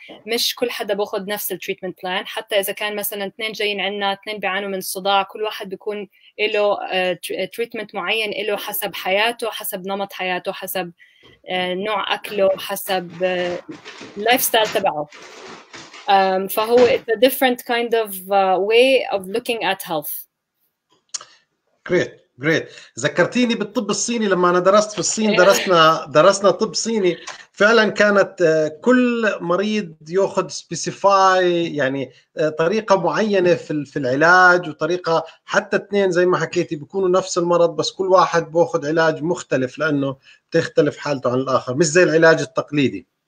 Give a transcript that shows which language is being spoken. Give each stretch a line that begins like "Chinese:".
Arabic: فمش كل حدا باخذ نفس
English: التريتمنت بلان،
Arabic: حتى اذا كان مثلا اثنين جايين عندنا، اثنين بيعانوا من الصداع، كل واحد بيكون له تريتمنت معين له حسب حياته، حسب نمط حياته، حسب نوع اكله، حسب
English: اللايف ستايل
Arabic: تبعه.
English: فهو it's a different kind of way of looking at health. Great.
Arabic: جريت، ذكرتيني بالطب الصيني. لما انا درست في الصين درسنا طب صيني، فعلا كانت كل مريض ياخذ سبيسيفاي، يعني طريقه معينه في العلاج، وطريقه حتى اثنين زي ما حكيتي بيكونوا نفس المرض بس كل واحد بياخذ علاج مختلف لانه بتختلف حالته عن الاخر، مش زي العلاج التقليدي.